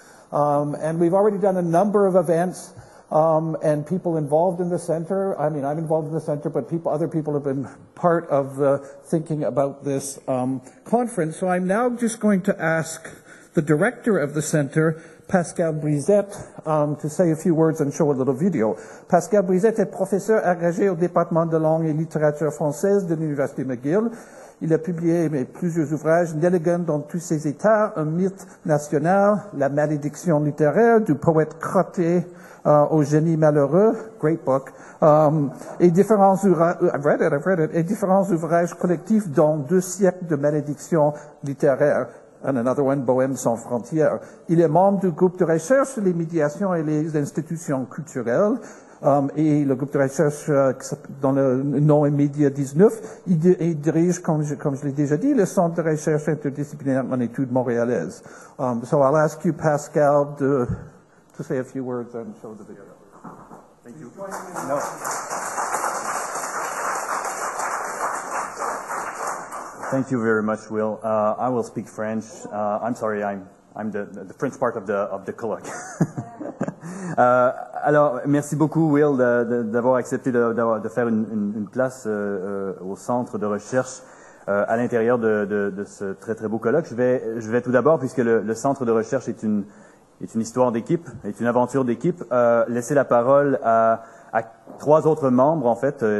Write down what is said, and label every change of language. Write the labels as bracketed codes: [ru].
[en] And we've already done a number of events. And people involved in the center, I mean, I'm involved in the center, but other people have been part of the thinking about this conference. So I'm now just going to ask the director of the center, Pascal Brisette, to say a few words and show a little video. [fr] Pascal Brisette est professeur agrégé au département de langue et littérature française de l'Université McGill. Il a publié plusieurs ouvrages, Nelligan dans tous ses états, un mythe national, la malédiction littéraire du poète crotté, au génie malheureux, [en] great book, [fr] et différents ouvrages collectifs dont deux siècles de malédiction littéraire, [en] and another one, [fr] Bohème sans frontières. Il est membre du groupe de recherche sur les médiations et les institutions culturelles, et le groupe de recherche dont le nom est Média 19. Il dirige, comme je l'ai déjà dit, le Centre de recherche interdisciplinaire en études montréalaises. [en] So I'll ask you, Pascal, to say a few words and show the video. Thank you. No. Thank you very much, Will. I will speak French. I'm sorry, I'm the French part of the colloque. [fr] Alors, merci beaucoup, Will, d'avoir accepté de faire une place au centre de recherche à l'intérieur de ce très très beau colloque. Je vais tout d'abord, puisque le centre de recherche est une histoire d'équipe, est une aventure d'équipe, laisser la parole à trois autres membres, en fait.